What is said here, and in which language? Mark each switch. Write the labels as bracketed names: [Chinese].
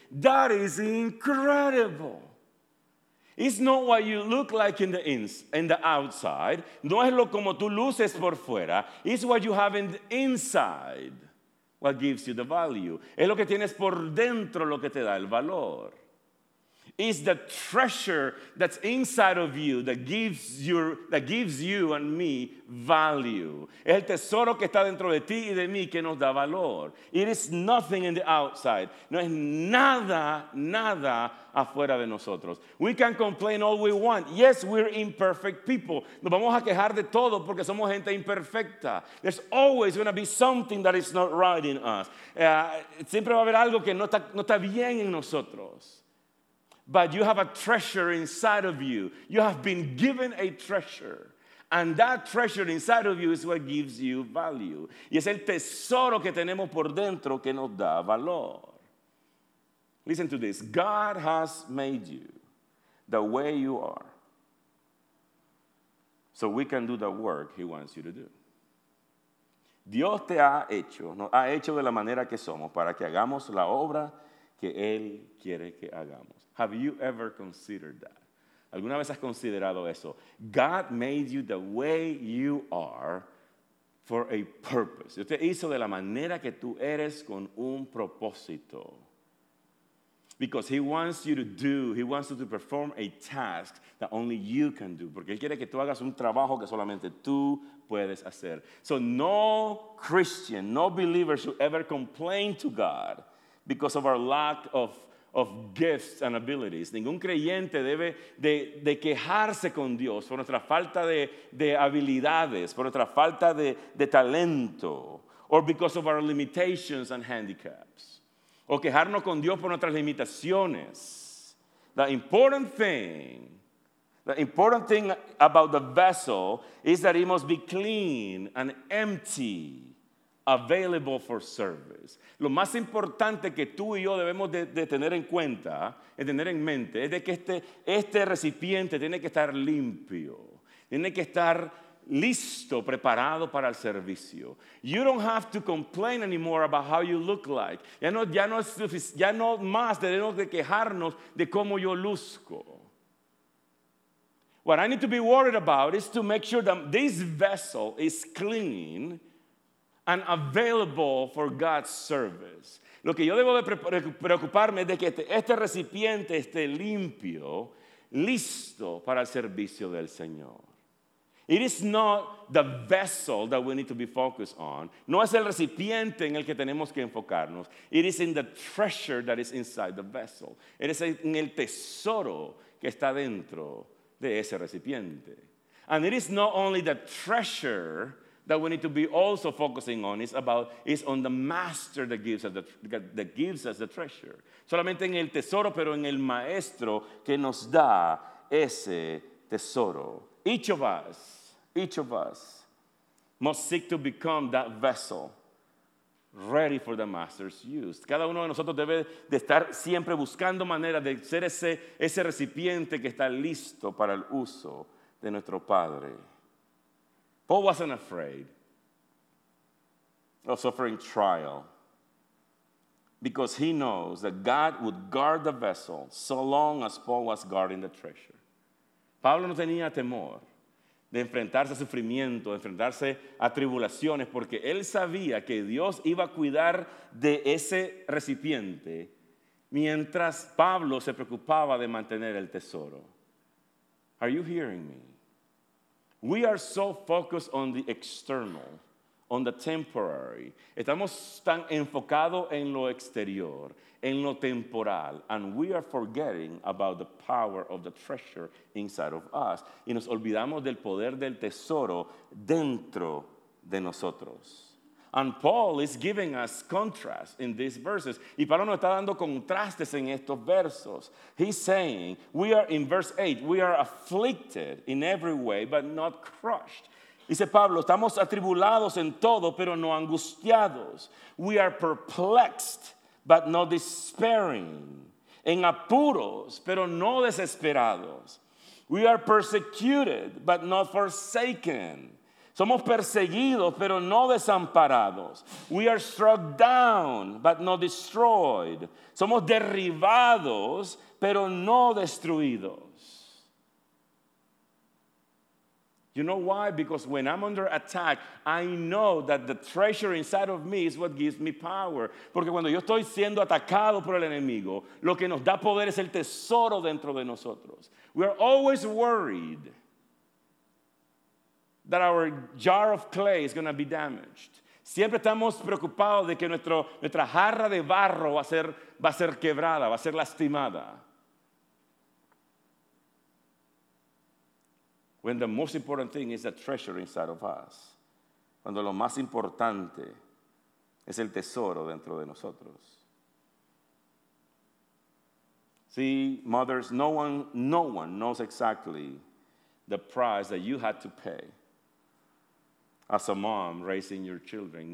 [English] That is incredible. It's not what you look like in the outside. [Spanish] No es lo como tú luces por fuera. [English] It's what you have in the inside. What gives you the value. [Spanish] Es lo que tienes por dentro lo que te da el valor. [English] It's the treasure that's inside of you that gives you and me value. [Spanish] Es el tesoro que está dentro de ti y de mí que nos da valor. [English] It is nothing in the outside. [Spanish] No es nada, nada afuera de nosotros. [English] We can complain all we want. Yes, we're imperfect people. [Spanish] Nos vamos a quejar de todo porque somos gente imperfecta. [English] There's always going to be something that is not right in us. [Spanish] Siempre va a haber algo que no está bien en nosotros. [English] But you have a treasure inside of you. You have been given a treasure. And that treasure inside of you is what gives you value. [Spanish] Y es el tesoro que tenemos por dentro que nos da valor. [English] Listen to this. God has made you the way you are, so we can do the work he wants you to do. [Spanish] Dios te ha hecho, nos ha hecho de la manera que somos para que hagamos la obra que él quiere que hagamos. [English] Have you ever considered that? [Spanish] ¿Alguna vez has considerado eso? [English] God made you the way you are for a purpose. [Spanish] Dios te hizo de la manera que tú eres con un propósito. [English] Because he wants you to do, he wants you to perform a task that only you can do. [Spanish] Porque él quiere que tú hagas un trabajo que solamente tú puedes hacer. [English] So no Christian, no believer should ever complain to God because of our lack of of gifts and abilities. [Spanish] Ningún creyente debe de quejarse con Dios por nuestra falta de habilidades, por nuestra falta de talento, [English] or because of our limitations and handicaps. [Spanish] O quejarnos con Dios por nuestras limitaciones. [English] The important thing about the vessel is that it must be clean and empty, available for service. [Spanish] Lo más importante que tú y yo debemos de tener en cuenta, de tener en mente, es de que este recipiente tiene que estar limpio, tiene que estar listo, preparado para el servicio. [English] You don't have to complain anymore about how you look like. [Spanish] Ya no más tenemos que quejarnos de cómo yo luzco. [English] What I need to be worried about is to make sure that this vessel is clean and available for God's service. [Spanish] Lo que yo debo de preocuparme es de que este recipiente esté limpio, listo para el servicio del Señor. [English] It is not the vessel that we need to be focused on. [Spanish] No es el recipiente en el que tenemos que enfocarnos. [English] It is in the treasure that is inside the vessel. [Spanish] Es en el tesoro que está dentro de ese recipiente. [English] And it is not only the treasure that we need to be also focusing on. It's on the master that gives us the treasure. [Spanish] Solamente en el tesoro, pero en el maestro que nos da ese tesoro. [English] Each of us must seek to become that vessel ready for the master's use. [Spanish] Cada uno de nosotros debe de estar siempre buscando manera de ser ese recipiente que está listo para el uso de nuestro Padre. [English] Paul wasn't afraid of suffering trial because he knows that God would guard the vessel so long as Paul was guarding the treasure. [Spanish] Pablo no tenía temor de enfrentarse a sufrimiento, de enfrentarse a tribulaciones, porque él sabía que Dios iba a cuidar de ese recipiente mientras Pablo se preocupaba de mantener el tesoro. [English] Are you hearing me? We are so focused on the external, on the temporary. [Spanish] Estamos tan enfocados en lo exterior, en lo temporal, [English] and we are forgetting about the power of the treasure inside of us. [Spanish] Y nos olvidamos del poder del tesoro dentro de nosotros. [English] And Paul is giving us contrast in these verses. [Spanish] Y Pablo nos está dando contrastes en estos versos. [English] He's saying, we are in verse 8, we are afflicted in every way, but not crushed. [Spanish] Dice Pablo, estamos atribulados en todo, pero no angustiados. [English] We are perplexed, but not despairing. [Spanish] En apuros, pero no desesperados. [English] We are persecuted, but not forsaken. [Spanish] Somos perseguidos, pero no desamparados. [English] We are struck down, but not destroyed. [Spanish] Somos derribados, pero no destruidos. [English] You know why? Because when I'm under attack, I know that the treasure inside of me is what gives me power. [Spanish] Porque cuando yo estoy siendo atacado por el enemigo, lo que nos da poder es el tesoro dentro de nosotros. [English] We are always worried that our jar of clay is going to be damaged. [Spanish] Siempre estamos preocupados de que nuestra jarra de barro va a ser quebrada, va a ser lastimada. [English] When the most important thing is the treasure inside of us. [Spanish] Cuando lo más importante es el tesoro dentro de nosotros. [English] See, mothers, no one knows exactly the price that you had to pay as a mom raising your children.